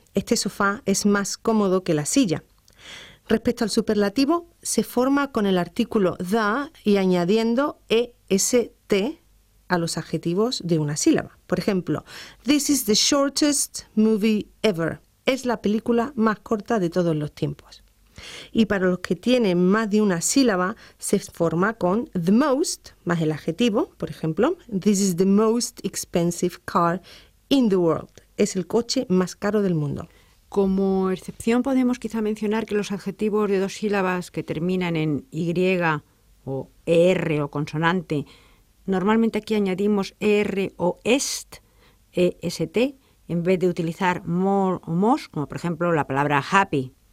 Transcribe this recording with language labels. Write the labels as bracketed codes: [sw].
[es] Este sofá es más cómodo que la silla. Respecto al superlativo, se forma con el artículo the y añadiendo est a los adjetivos de una sílaba. Por ejemplo, [en] this is the shortest movie ever. [es] Es la película más corta de todos los tiempos. Y para los que tienen más de una sílaba, se forma con the most más el adjetivo. Por ejemplo, [en] this is the most expensive car in the world. [es] Es el coche más caro del mundo. Como excepción podemos quizá mencionar que los adjetivos de dos sílabas que terminan en Y o ER o consonante, normalmente aquí añadimos ER o EST, EST, en vez de utilizar MORE o MOST, como por ejemplo la palabra HAPPY.